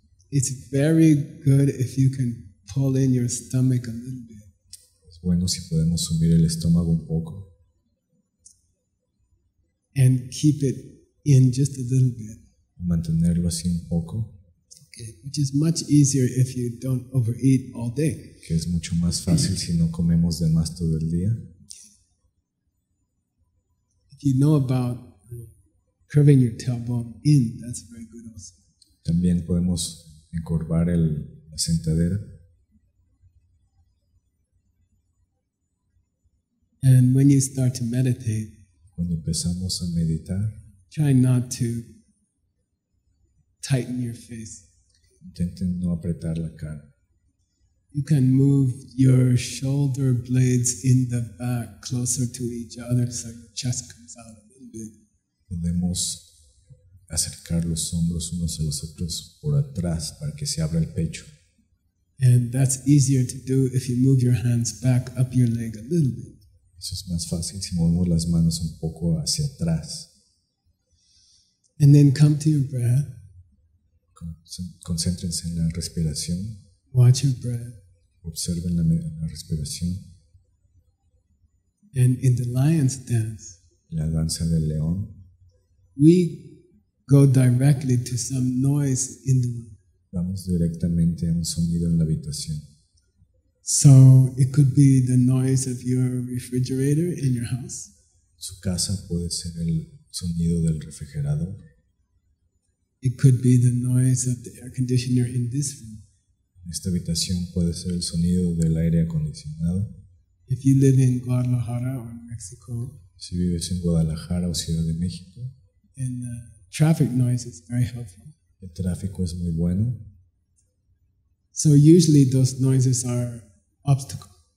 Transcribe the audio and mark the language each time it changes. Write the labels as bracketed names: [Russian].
[English] It's very good if you can pull in your stomach a little bit. [Spanish] Es bueno si podemos subir el estómago un poco. [English] And keep it in just a little bit. [Spanish] Y mantenerlo así un poco. [English] Okay, which is much easier if you don't overeat all day. [Spanish] Que es mucho más fácil si no comemos de más todo el día. [English] If you know about curving your tailbone in, that's very good also. [Spanish] También podemos encorvar la sentadera. [English] And when you start to meditate, [Spanish] cuando empezamos a meditar, [English] try not to tighten your face. [Spanish] Intenten no apretar la cara. [English] You can move your shoulder blades in the back closer to each other so your chest comes out a little bit. [Spanish] Podemos acercar los hombros unos a los otros por atrás para que se abra el pecho. [English] And that's easier to do if you move your hands back up your leg a little bit. [Spanish] Eso es más fácil si movemos las manos un poco hacia atrás. [English] And then come to your breath. [Spanish] Concéntrense en la respiración. [English] Watch your breath. [Spanish] Observen la respiración. [English] And in the lion's dance, [Spanish] la danza del león, [English] we go directly to some noise in the room. [Spanish] Vamos directamente a un sonido en la habitación. [English] So it could be the noise of your refrigerator in your house. [Spanish] Su casa puede ser el sonido del refrigerador. [English] It could be the noise of the air conditioner in this room. [Spanish] Esta habitación puede ser el sonido del aire acondicionado. [English] If you live in Guadalajara or Mexico, [Spanish] si vives en Guadalajara o Ciudad de México, [English] and traffic noise is very helpful. [Spanish] El tráfico es muy bueno. [English] So usually those noises are obstacles.